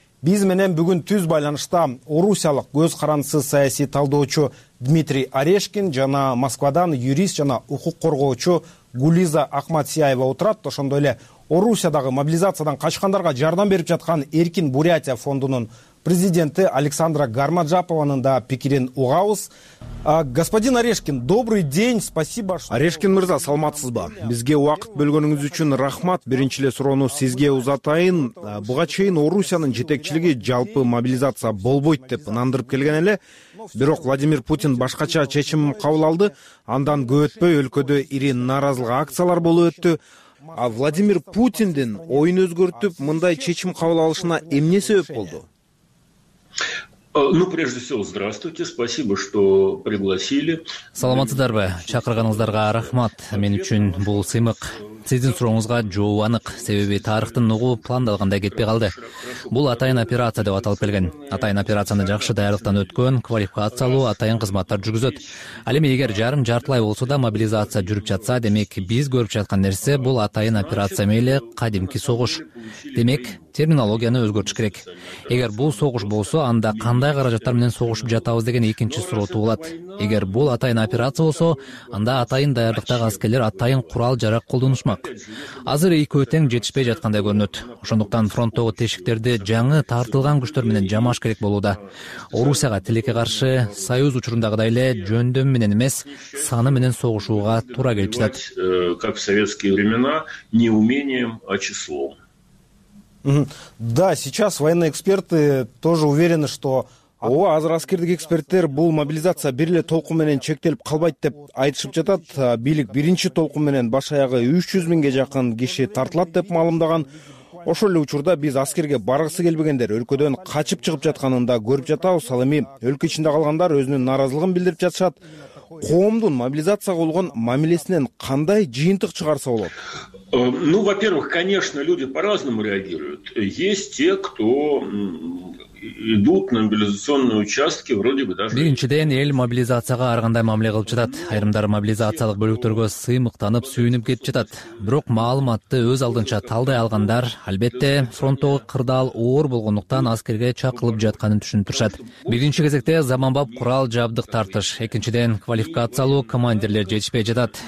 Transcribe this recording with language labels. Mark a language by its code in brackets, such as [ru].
[ky] Биз менен бүгүн түз байланышта орусиялык көз карансыз саясий талдоочу Дмитрий Орешкин жана Москвадан юрист жана укук коргоочу Гулиза Ахматсияева отурат. Ошондой эле Орусиядагы мобилизациядан качкандарга жардам берип жаткан Эркин Бурятия фондунун президенти Александра Гармаджапованын да пикирин угабыз. [ru] Господин Орешкин, добрый день, спасибо. [ky] Орешкин мырза, саламатсызбы? Бизге убакыт бөлгөнүңүз үчүн рахмат. Биринчи эле суроону сизге узатайын. Буга чейин Орусиянын жетекчилиги жалпы мобилизация болбойт деп ынандырып келген эле. Бирок Владимир Путин башкача чечим кабыл алды. Андан көп өтпөй өлкөдө ири нааразылык акциялар болуп өттү. А Владимир Путиндин оюн өзгөртүп мындай чечим кабыл алышына эмне себеп болду? [ru] Прежде всего, здравствуйте, спасибо, что пригласили. [ky] Саламатсыздарбы, чакырганыңыздарга рахмат. Мен үчүн бул сыймык. Сиздин сурооңузга жооп анык, себеби тарыхтын угу пландалгандай кетпей калды. Бул атайын операция деп аталып келген. Атайын операцияны жакшы даярдыктан өткөн, квалификациялуу атайын кызматтар жүргүзөт. Ал эми эгер жарым жартылай болсо да мобилизация жүрүп жатса, демек биз көрүп жаткан нерсе бул атайын операция эле кадимки согуш. Демек терминологияны өзгөртүш керек. Эгер бул согуш болсо, анда кандай каражаттар менен согушуп жатабыз деген экинчи суроо туулат. Эгер бул атайын операция болсо, анда атайын даярдыктагы аскерлер атайын курал жарак колдонушмак. Азыр экөө тең жетишпей жаткандай көрүнөт. Ошондуктан фронттогу тешиктерди жаңы тартылган күчтөр менен жамаш керек болууда. Орусияга тилекке каршы союз учурундагыдай эле жөндөм менен эмес, саны менен согушууга туура келип жатат. [ru] Как в советские времена, не умением, а числом. Да, сейчас военные эксперты тоже уверены, что... [ky] Ооба, азыр аскердик эксперттер бул мобилизация бир эле толкун менен чектелип калбайт деп айтышып жатат. Бийлик биринчи толкун менен баш аягы 300 000 жакын киши тартылат деп маалымдаган. Ошол эле учурда биз аскерге баргысы келбегендер өлкөдөн качып чыгып жатканын да көрүп жатабыз. Ал эми өлкө ичинде калгандар өзүнүн нааразылыгын билдирип жатышат. Коомдун мобилизацияга болгон мамилесинен кандай жыйынтык чыгарса болот? [ru] Во-первых, конечно, люди по-разному реагируют. Есть те, кто идут на мобилизационные участки, вроде бы даже... [ky] Биринчиден, эл мобилизацияга ар кандай мамиле кылып жатат. Айрымдар мобилизациялык бөлүктөргө сыймыктанып, сүйүнүп кетип жатат. Бирок маалыматты өз алдынча талдай алгандар, албетте, фронттогу кырдаал оор болгондуктан аскерге чакылып жатканын түшүнүшөт. Биринчи кезекте заманбап курал-жабдык тартыш, экинчиден квалификациялуу командирлер жетишпей жатат.